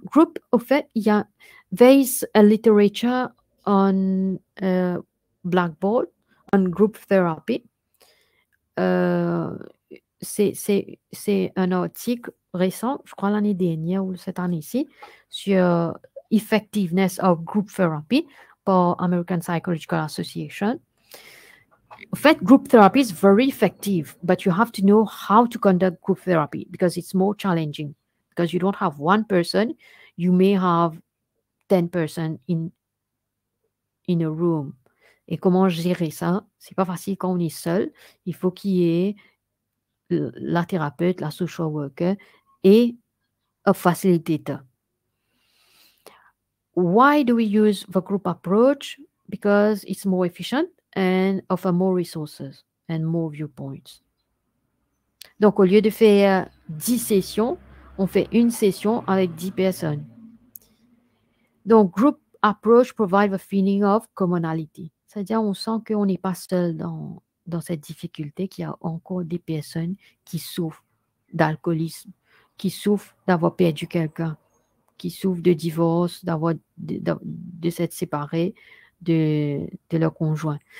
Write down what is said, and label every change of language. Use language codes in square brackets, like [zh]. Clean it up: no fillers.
[en] Group, [fr] au fait, il y a [en] there is a literature on blackboard, on group therapy. [fr] C'est un article récent, je crois l'année dernière ou cette année-ci, sur [en] effectiveness of group therapy [fr] par American Psychological Association. [en] In fact, group therapy is very effective, but you have to know how to conduct group therapy because it's more challenging. Because you don't have one person, you may have 10 persons in a room. [fr] Et comment gérer ça? C'est pas facile quand on est seul. Il faut qu'il y ait la thérapeute, la social worker et a facilitator. [en] Why do we use the group approach? Because it's more efficient and offer more resources and more viewpoints. [fr] Donc, au lieu de faire 10 sessions, on fait une session avec 10 personnes. [en] Donc, group approach provide a feeling of commonality. [fr] C'est-à-dire, on sent qu'on n'est pas seul dans cette difficulté, qu'il y a encore des personnes qui souffrent d'alcoolisme, qui souffrent d'avoir perdu quelqu'un, qui souffrent de divorce, de s'être séparés de leur conjoint.